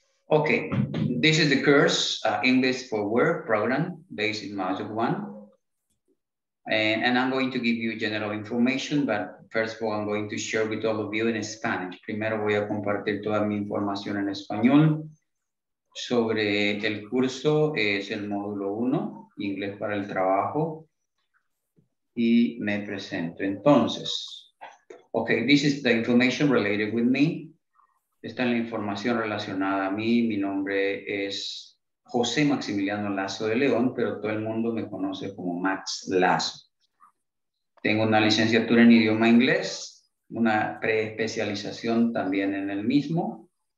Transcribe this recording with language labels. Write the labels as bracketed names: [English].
[English] Ok, this is the course, English for Work program, based in Module 1. And I'm going to give you general information, but first of all, I'm going to share with all of you in Spanish. [Spanish] Primero voy a compartir toda mi información en español sobre el curso, es el módulo 1, inglés para el trabajo, y me presento. [English] Entonces, okay, this is the information related with me. [Spanish] Esta es la información relacionada a mí. Mi nombre es José Maximiliano Lazo de León, pero todo el mundo me conoce como Max Lazo. Tengo una licenciatura en idioma inglés, una preespecialización también en el mismo.